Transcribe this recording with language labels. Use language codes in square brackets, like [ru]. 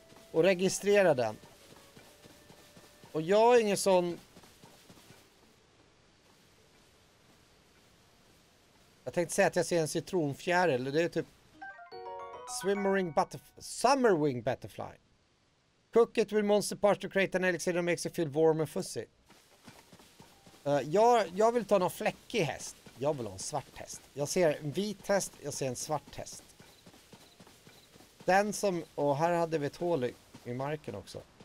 [sv] Och registrera den. Och jag är ingen sån. Jag tänkte säga att jag ser en citronfjäril. Det är typ [en] swimmering summerwing butterfly. Cook it with monster parts to create an elixir that makes you feel warm and fussy. [sv] Jag vill ta någon fläckig häst. Jag vill ha en svart häst. Jag ser en vit häst, jag ser en svart häst. Den som, och här hade vi ett hål i marken också.